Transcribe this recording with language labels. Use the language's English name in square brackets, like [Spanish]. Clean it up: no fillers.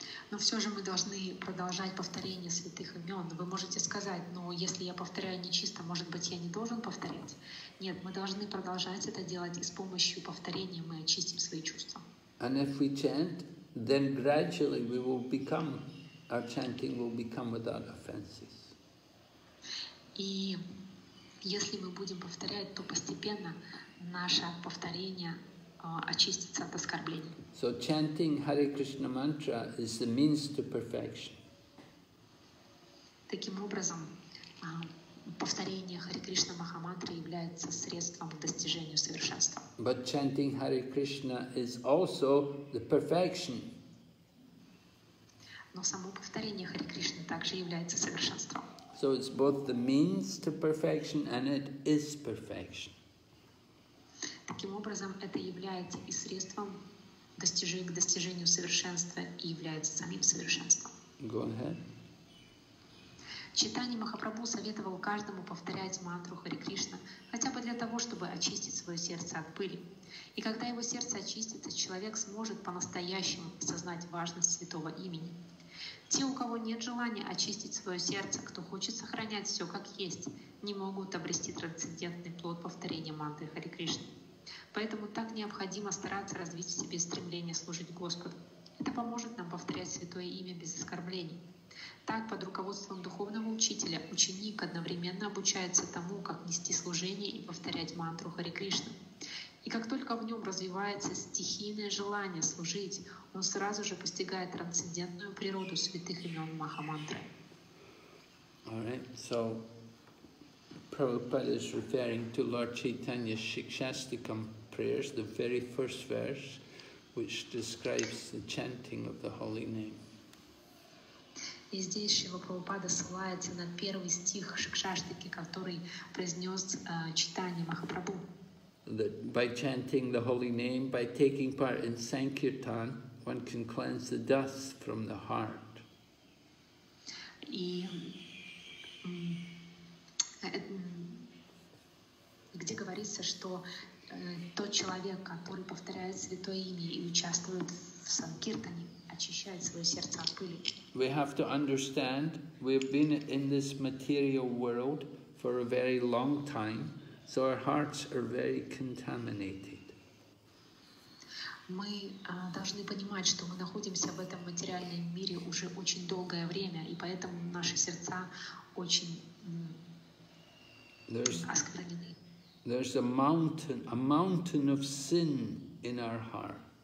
[Russian] Но все же мы должны продолжать повторение святых имен. Вы можете сказать, ну, если я повторяю нечисто, может быть, я не должен повторять? Нет, мы должны продолжать это делать, и с помощью повторения мы очистим свои чувства. [English] And if we chant, then gradually we will become... Our chanting will become without offenses. [Russian] И если мы будем повторять, то постепенно наше повторение очистится от оскорблений. [English] So chanting Hare Krishna mantra is the means to perfection. [Russian] Таким образом, повторение Hare Krishna Mahamantra является средством к достижению совершенства. [English] But chanting Hare Krishna is also the perfection. [Russian] Но само повторение Хари Кришны также является совершенством. [English] So it's both the means to perfection and it is perfection. [Russian] Таким образом, это является и средством к достижению совершенства и является самим совершенством. [English] Go ahead. [Russian] Чайтанья Махапрабху советовал каждому повторять мантру Хари Кришна, хотя бы для того, чтобы очистить свое сердце от пыли. И когда его сердце очистится, человек сможет по-настоящему осознать важность святого имени. Те, у кого нет желания очистить свое сердце, кто хочет сохранять все как есть, не могут обрести трансцендентный плод повторения мантры Хари Кришны. Поэтому так необходимо стараться развить в себе стремление служить Господу. Это поможет нам повторять святое имя без оскорблений. Так, под руководством духовного учителя, ученик одновременно обучается тому, как нести служение и повторять мантру Хари Кришны. И как только в нем развивается стихийное желание служить, он сразу же постигает трансцендентную природу святых имен Махамантры. [English] All right. So, Prabhupada is referring to Lord Chaitanya's Shikshastikam prayers, the very first verse, which describes the chanting of the holy name. [Russian] И здесь Шрила Прабхупада ссылается на первый стих Шикшаштики, который произнес читание Махапрабху. [English] That by chanting the holy name, by taking part in Sankirtan, one can cleanse the dust from the heart. [Russian] И где говорится, что тот человек, который повторяет святое имя и участвует в Санкиртане, очищает свое сердце от пыли. [English] We have to understand, we've been in this material world for a very long time. So our hearts are very contaminated. [Russian] Мы должны понимать, что мы находимся в этом материальном мире уже очень долгое время, и поэтому наши сердца очень осквернены. [English] There's a mountain of sin in our heart.